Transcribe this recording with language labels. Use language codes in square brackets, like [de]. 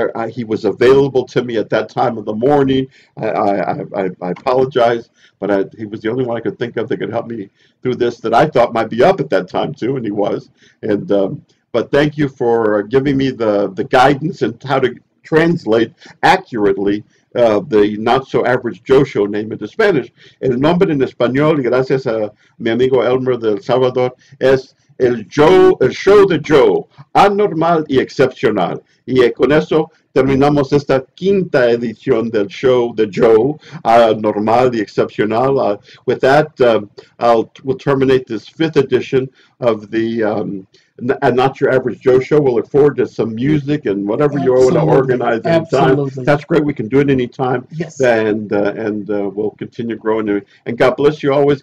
[en] He was available to me at that time of the morning. I apologize, but he was the only one I could think of that could help me through this that I thought might be up at that time too, and he was. And but thank you for giving me the guidance and how to translate accurately the Not So Average Joe Show name into Spanish. [es] El nombre en español, gracias a mi amigo Elmer del Salvador, es el Joe, el show de Joe, anormal y excepcional. Y con eso terminamos esta quinta edición del show de Joe, anormal y excepcional. [en] With that, we'll terminate this fifth edition of the Not Your Average Joe Show. We'll look forward to some music and whatever you want to organize anytime. Absolutely. That's great. We can do it anytime. Yes. And we'll continue growing. And God bless you always.